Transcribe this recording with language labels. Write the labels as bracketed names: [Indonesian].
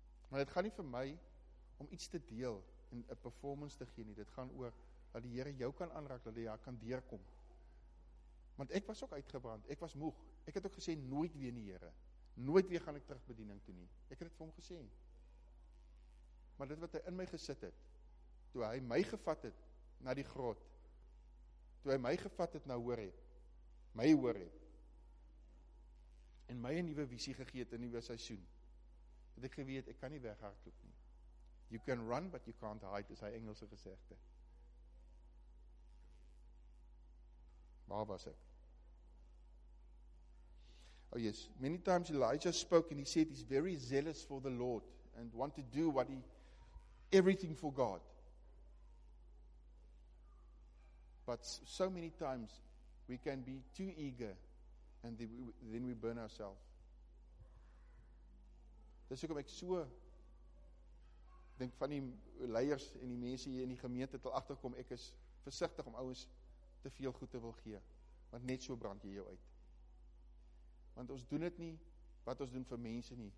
[Afrikaans] Maar dit gaan nie vir my om iets te deel en 'n performance te gee nie. Dit gaan oor dat die Here jou kan aanraak, dat jy kan deurkom. Want ek was ook uitgebrand, ek was moeg. Ek het ook gesê, nooit weer nie, Here. Nooit weer gaan ek terug bediening toe nie. Ek het dit vir hom gesê. Maar dit wat hy in my gesit het, toe hy my gevat het na die grot, toe hy my gevat het na Horeb, my Horeb, en my 'n nuwe visie gegee het in 'n nuwe seisoen, het ek geweet, ek kan nie weghardloop nie. [English] You can run, but you can't hide, [Afrikaans] is hy Engelse gesegde. Waar was ek? [English] Oh yes, many times Elijah spoke and he said he's very zealous for the Lord and want to do everything for God. But so many times we can be too eager and then we burn ourselves. [Afrikaans] Dis hoekom ek so denk van die leiers en die mense hier in die gemeente te agterkom, ek is versigtig om ouens te veel goed te wil gee. Want net so brand jy jou uit. Want ons doen dit nie wat ons doen vir mense nie.